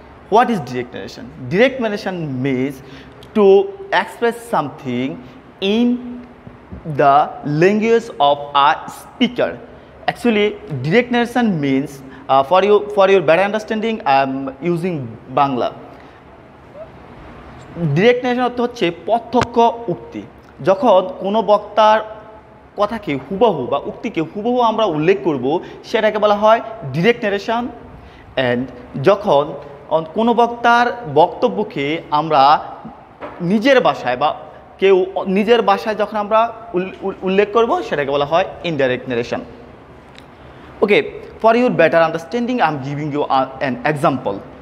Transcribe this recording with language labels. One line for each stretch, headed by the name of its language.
English: What is direct narration? Direct narration means to express something in the language of a speaker. Actually, direct narration means,
Bangla: for your better understanding, I'm using Bangla. Direct narration অর্থ হচ্ছে প্রত্যক্ষ উক্তি, যখন কোন বক্তার কথাকে হুবহু বা উক্তিকে হুবহু আমরা উল্লেখ করব, সেটাকে বলা হয় direct narration. And যখন কোন বক্তার বক্তব্যকে আমরা নিজের ভাষায় বা কেউ নিজের ভাষায় যখন আমরা উল্লেখ করব, সেটাকে বলা হয় indirect narration.
English: Okay, for your better understanding, I'm giving you an example.